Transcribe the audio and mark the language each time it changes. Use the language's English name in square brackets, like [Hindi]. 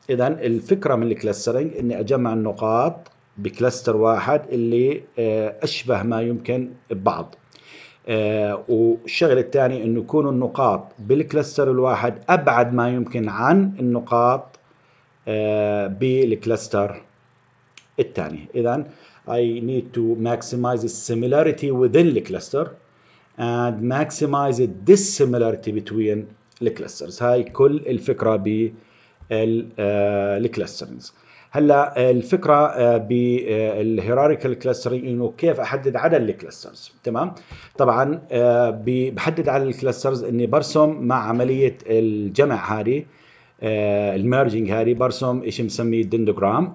[Arabic] اذا الفكره من الكلسترنج اني اجمع النقاط بكلستر واحد اللي اشبه ما يمكن ببعض. والشغل الثاني انه يكونوا النقاط بالكلستر الواحد ابعد ما يمكن عن النقاط بالكلستر الثاني. إذا [English] I need to maximize the similarity within the cluster and maximize the dissimilarity between the clusters. [Arabic] هاي كل الفكرة بالclusters. هلا الفكرة بالhierarchical clustering إنه كيف أحدد عدد الclusters. تمام؟ طبعا بحدد عدد الclusters إني برسم مع عملية الجمع هذه الميرجينج هذه برسم شيء مسميه الدندوغرام.